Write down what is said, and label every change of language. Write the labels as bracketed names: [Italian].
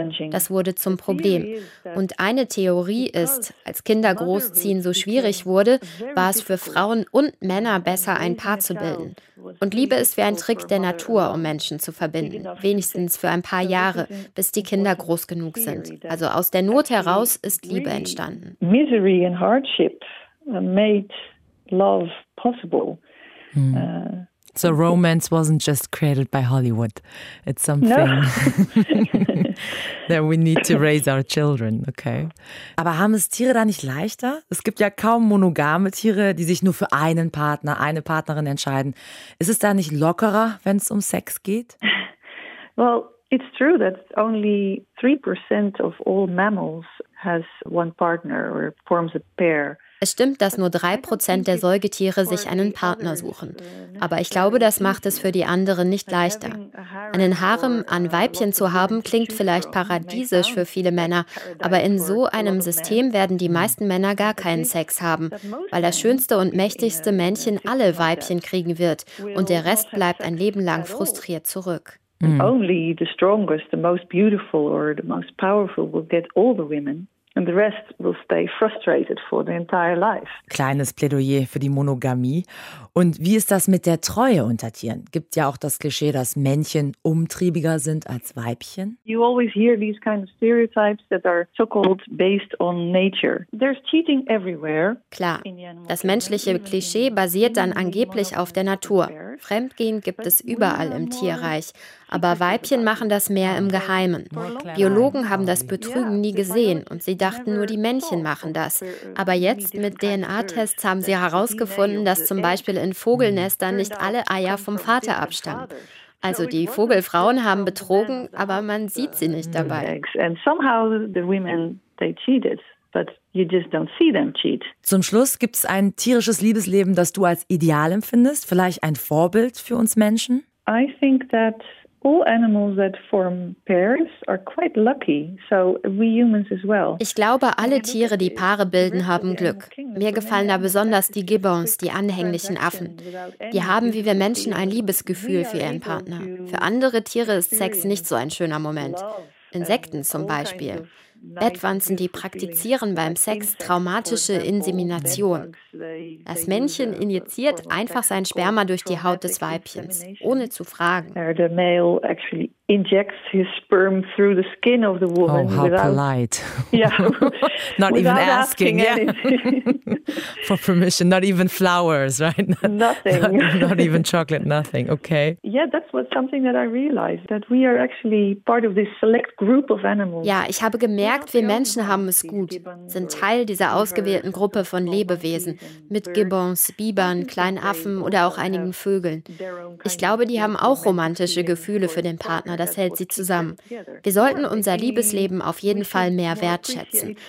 [German] Das wurde zum Problem. Und eine Theorie ist, als Kinder großziehen so schwierig wurde, war es für Frauen und Männer besser, ein Paar zu bilden. Und Liebe ist wie ein Trick der Natur, um Menschen zu verbinden. Wenigstens für ein paar Jahre, bis die Kinder groß genug sind. Also aus der Not heraus ist Liebe entstanden. [English] Misery and hardship made love possible. So romance wasn't just created by Hollywood. It's something that we need to raise our children, okay? [German] Aber haben es Tiere da nicht leichter? Es gibt ja kaum monogame Tiere, die sich nur für einen Partner, eine Partnerin entscheiden. Ist es da nicht lockerer, wenn es um Sex geht? [English] Well, it's true that only 3% of all mammals has one partner or forms a pair. [German] Es stimmt, dass nur 3% der Säugetiere sich einen Partner suchen. Aber ich glaube, das macht es für die anderen nicht leichter. Einen Harem an Weibchen zu haben, klingt vielleicht paradiesisch für viele Männer, aber in so einem System werden die meisten Männer gar keinen Sex haben, weil das schönste und mächtigste Männchen alle Weibchen kriegen wird und der Rest bleibt ein Leben lang frustriert zurück. [English] Only the strongest, the most beautiful or the most powerful will get all the women. And the rest will stay frustrated for their entire life. [German] Kleines Plädoyer für die Monogamie. Und wie ist das mit der Treue unter Tieren? Gibt ja auch das Klischee, dass Männchen umtriebiger sind als Weibchen. [English] You always hear these kind of stereotypes that are so-called based on nature. There's cheating everywhere. [German] Klar, das menschliche Klischee basiert dann angeblich auf der Natur. Fremdgehen gibt es überall im Tierreich. Aber Weibchen machen das mehr im Geheimen. Biologen haben das Betrügen nie gesehen und sie dachten nur, die Männchen machen das. Aber jetzt mit DNA-Tests haben sie herausgefunden, dass zum Beispiel in Vogelnestern nicht alle Eier vom Vater abstammen. Also die Vogelfrauen haben betrogen, aber man sieht sie nicht dabei. Und [English] somehow the women, they cheated. But you just don't see them cheat. [German] Zum Schluss, gibt es ein tierisches Liebesleben, das du als ideal empfindest? Vielleicht ein Vorbild für uns Menschen? [English] I think that all animals that form pairs are quite lucky. So we humans as well. [German] Ich glaube, alle Tiere, die Paare bilden, haben Glück. Mir gefallen da besonders die Gibbons, die anhänglichen Affen. Die haben wie wir Menschen ein Liebesgefühl für ihren Partner. Für andere Tiere ist Sex nicht so ein schöner Moment. Insekten zum Beispiel. Bettwanzen, die praktizieren beim Sex traumatische Insemination. Das Männchen injiziert einfach sein Sperma durch die Haut des Weibchens, ohne zu fragen. [English] The male actually injects his sperm through the skin of the woman. Oh, how polite. Not even asking. Yeah. For permission, not even flowers, right? Not even chocolate, nothing, okay. Yeah, that's what something that I realized, that we are actually part of this select group of animals. [German] Ja, ich habe gemerkt, wir Menschen haben es gut, sind Teil dieser ausgewählten Gruppe von Lebewesen, mit Gibbons, Bibern, kleinen Affen oder auch einigen Vögeln. Ich glaube, die haben auch romantische Gefühle für den Partner, das hält sie zusammen. Wir sollten unser Liebesleben auf jeden Fall mehr wertschätzen.